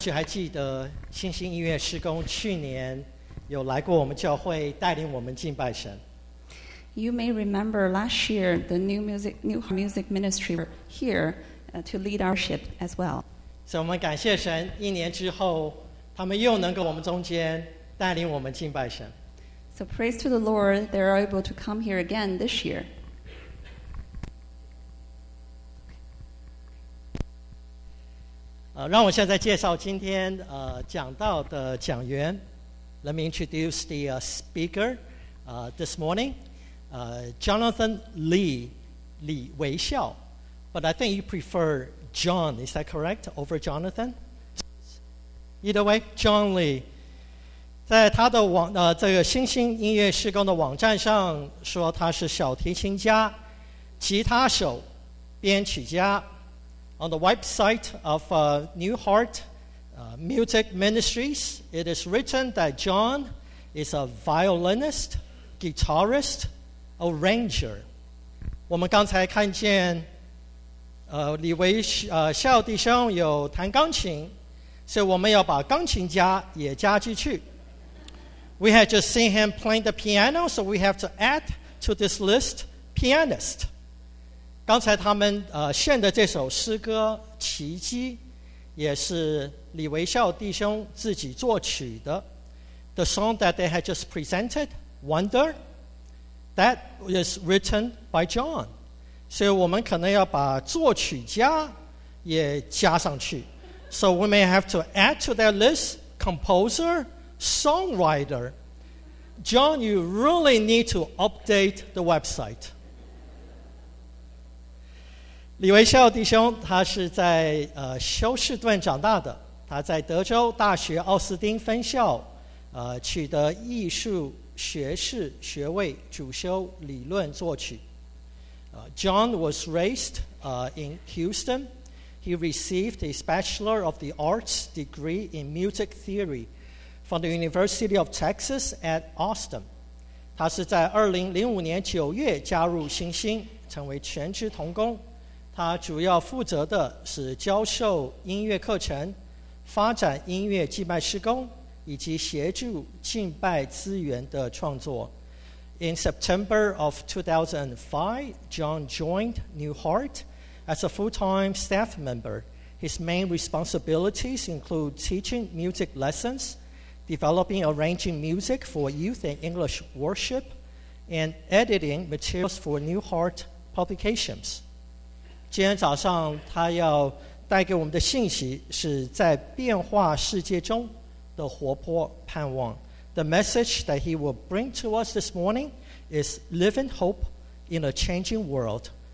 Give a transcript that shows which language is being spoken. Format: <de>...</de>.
<zh>许还记得星星音乐施工去年有来过我们教会带领我们敬拜神。</zh> <en>You may remember last year the new music ministry were here to lead our worship as well.</en> <zh>所以我们感谢神，一年之后他们又能够我们中间带领我们敬拜神。</zh> <en>So praise to the Lord, they are able to come here again this year.</en> <zh>让我现在介绍今天讲到的讲员。</zh> <en>Let me introduce the speaker this morning. Jonathan Lee, 李维孝。 But I think you prefer John, is that correct? Over Jonathan? Either way, John Lee.</en> <zh>在他的网这个星星音乐施工的网站上说他是小提琴家、吉他手、编曲家。</zh> <en>On the website of New Heart Music Ministries, it is written that John is a violinist, guitarist, arranger.</en> <zh>我们刚才看见李维孝弟兄有弹钢琴，所以我们要把钢琴家也加进去。</zh> <en>We had just seen him playing the piano, so we have to add to this list pianist.</en> <zh>刚才他们献的这首诗歌《奇迹》也是李维孝弟兄自己作曲的。</zh> <en>The song that they had just presented, Wonder, that is written by John.</en> <zh>所以我们可能要把作曲家也加上去。</zh> <en>So we may have to add to that list composer, songwriter. John, you really need to update the website.</en> <zh>李维孝弟兄他是在休士顿长大的，他在德州大学奥斯汀分校取得艺术学士学位，主修理论作曲。</zh> <en>John was raised in Houston. He received his Bachelor of the Arts degree in Music Theory from the University of Texas at Austin.</en> <zh>他是在2005年9月加入星星，成为全职童工。他主要负责的是教授音乐课程、发展音乐祭拜施工以及协助敬拜资源的创作。</zh> <en>In September of 2005, John joined New Heart as a full-time staff member. His main responsibilities include teaching music lessons, developing and arranging music for youth and English worship, and editing materials for New Heart publications.</en> <zh>今天早上他要带给我们的信息是在变化世界中的活泼盼望。</zh> <en>The message that he will bring to us this morning is living hope in a changing world.</en>